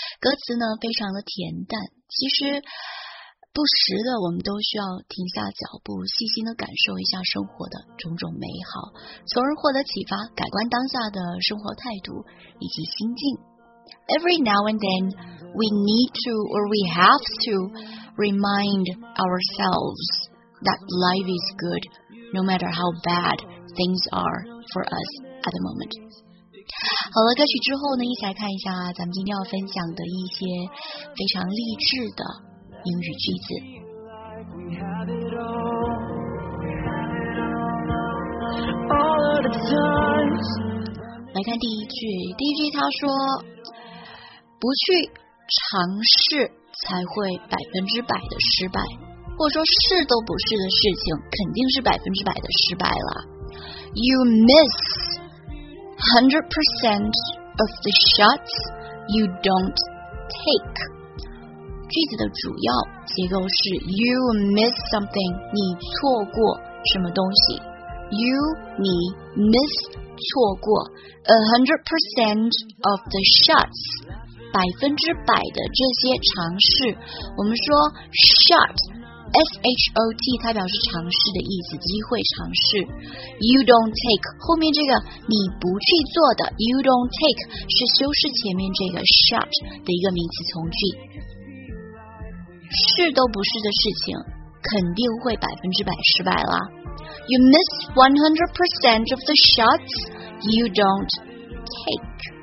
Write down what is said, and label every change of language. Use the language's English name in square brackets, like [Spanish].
[Chinese] 歌词呢非常的恬淡，其实不时的我们都需要停下脚步，细心的感受一下生活的种种美好，从而获得启发，改观当下的生活态度以及心境。 [English] Every now and then we need to or we have to remind ourselves that life is good no matter how bad things are for us at the moment。 [Chinese] 好了，歌曲之后呢，一起来看一下咱们今天要分享的一些非常励志的英语句子。来看第一句，第一句他说，不去尝试才会百分之百的失败，或者说试都不试的事情肯定是百分之百的失败了。 [English] You miss 100% of the shots you don't take。 [Chinese] 句子的主要结构是 [English] You miss something， [Chinese] 你错过什么东西。 You 你 miss错过 [English] 100% of the shots， [Chinese] 百分之百的这些尝试。我们说 shot SHOT 它表示尝试的意思，机会尝试。 [English] You don't take [Chinese] 后面这个你不去做的， You don't take 是修饰前面这个 shot 的一个名词从句。试都不试的事情肯定会百分之百失败了。 [English] You miss 100% of the shots you don't take。